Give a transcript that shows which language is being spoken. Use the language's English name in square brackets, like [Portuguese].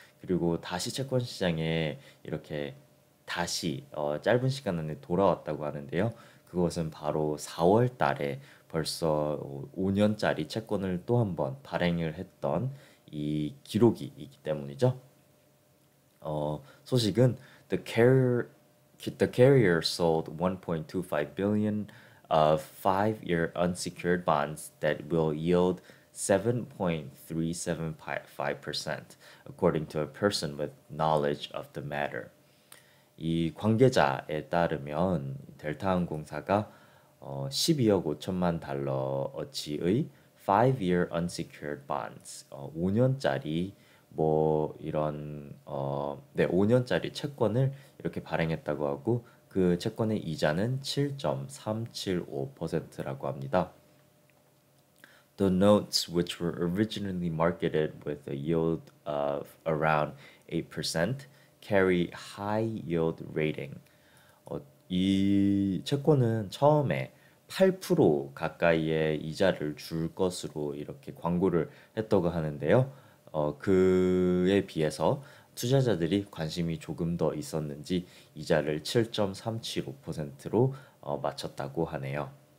[Korean] 그리고 다시 채권 시장에 이렇게 다시 짧은 시간 안에 돌아왔다고 하는데요. 그것은 바로 4월 달에 벌써 5년짜리 채권을 또한번 발행을 했던 이 기록이 있기 때문이죠. 소식은 [English] The carrier sold 1.25 billion of 5-year unsecured bonds that will yield 7.375% according to a person with knowledge of the matter. [Korean] 이 관계자에 따르면 델타 항공사가 12억 5천만 달러 어치의 [English] 5-year unsecured bonds, [Korean] 5년짜리 뭐 이런 5년짜리 채권을 이렇게 발행했다고 하고 그 채권의 이자는 7.375%라고 합니다. [English] The notes, which were originally marketed with a yield of around 8%, carry high yield rating. [Korean] 이 채권은 처음에 8% 가까이의 이자를 줄 것으로 이렇게 광고를 했다고 하는데요. 그에 비해서 투자자들이 관심이 조금 더 있었는지 이자를 7.375%로 맞췄다고 하네요.